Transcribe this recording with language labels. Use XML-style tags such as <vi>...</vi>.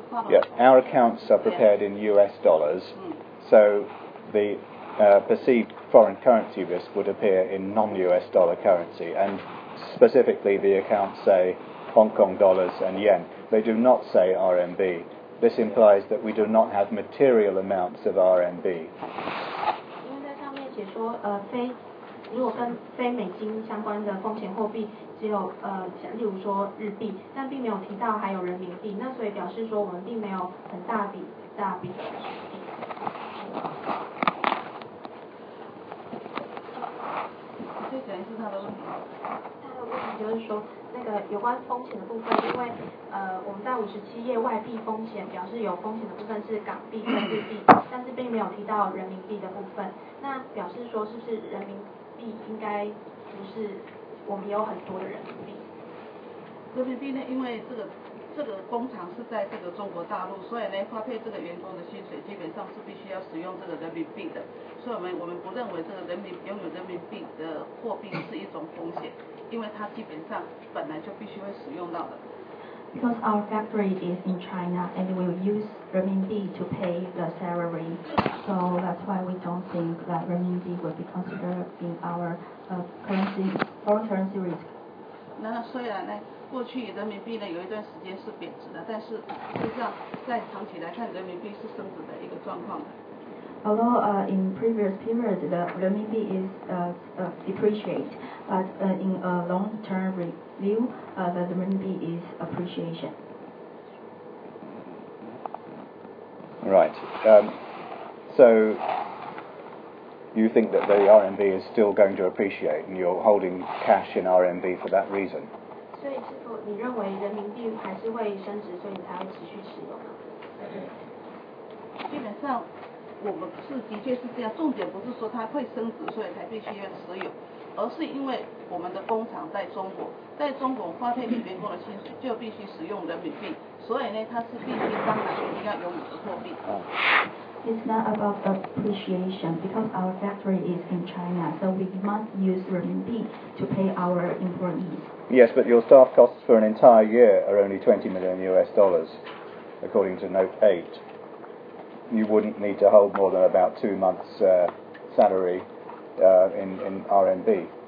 <en>Yeah, our accounts are prepared in US dollars, so the perceived foreign currency risk would appear in non-US dollar currency, and specifically the accounts say Hong Kong dollars and yen. They do not say RMB. This implies that we do not have material amounts of RMB.</en> <zh>因为在上面写说，如果跟非美金相关的风险货币只有例如说日币，但并没有提到还有人民币，那所以表示说我们并没有很大笔大笔的。再讲一次他的问题。他的问题就是说，那个有关风险的部分，因为我们在五十七页外币风险表示有风险的部分是港币跟日币，但是并没有提到人民币的部分，那表示说是不是人民？应该不是，我们有很多的人民币。人民币呢？因为这个工厂是在这个中国大陆，所以呢，发配这个员工的薪水基本上是必须要使用这个人民币的。所以我们不认为这个人民拥有人民币的货币是一种风险，因为它基本上本来就必须会使用到的。</zh> <en>Because our factory is in China and we will use renminbi to pay the salary, so that's why we don't think that renminbi will be considered in our currency, foreign currency risk.</en> <zh>那虽然呢，过去人民币呢有一段时间是贬值的，但是实际上在长期来看，人民币是升值的一个状况。</zh> <en>Although in previous period the renminbi is depreciate, but in a long term review, the renminbi is appreciation. Right. So you think that the RMB is still going to appreciate, and you're holding cash in RMB for that reason.</en> <zh>所以是否你认为人民币还是会升值，所以你才会持续持有呢？基本上。我们是的确是这样，重点不是说它会升值，所以才必须要持有，而是因为我们的工厂在中国，在中国发配给员工的薪水就必须使用人民币，所以呢，它是必须当然一定要有你的货币。</zh> <en>It's not about appreciation because our factory is in China, so we must use renminbi to pay our employees. Yes, but your staff costs for an entire year are only 20 million US dollars, according to Note 8. You wouldn't need to hold more than about 2 months' salary in RMB.</en>